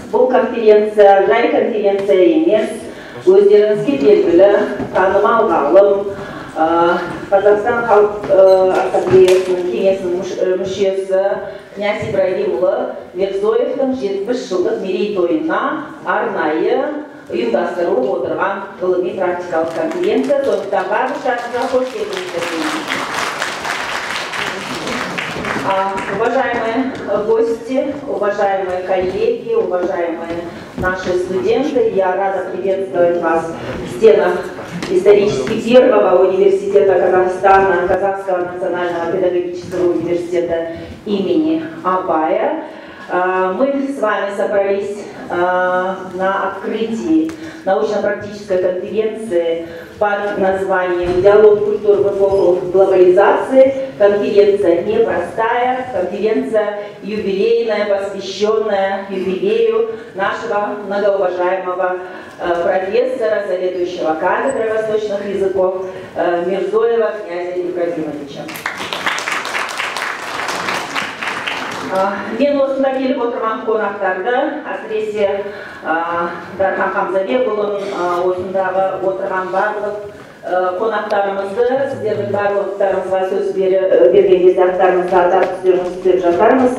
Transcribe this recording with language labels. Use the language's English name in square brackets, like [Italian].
[Kazakh] Бұл конференция жай конференция емес. Өздеріңізге белгілі танымал ғалым, Қазақстан халық ассамблеясының кеңесінің мүшесі князь Ибрагимұлы Мирзоевтың 70 жылдық мерейтойына арнайы ұйымдастырылып отырған ғылыми практикалық конференция. Сондықтан барлықтарыңызға қош келдіңіздер. [Russian] Уважаемые гости, уважаемые коллеги, уважаемые наши студенты, я рада приветствовать вас в стенах исторически первого университета Казахстана, Казахского национального педагогического университета имени Абая. Мы с вами собрались на открытии научно-практической конференции под названием «Диалог культур в эпоху глобализации». Конференция непростая, конференция юбилейная, посвященная юбилею нашего многоуважаемого профессора, заведующего кафедрой восточных языков Мирзоева князя Ибрагимовича. [Kazakh] Мен осында келіп отырған қонақтарды, әсіресе Дархан Хамзабекұлын осындағы отырған барлық қонақтарымызды, сіздердің барлықтарыңызға сөз берген кезде аттарыңызды атап сөздеріңізді жатармыз.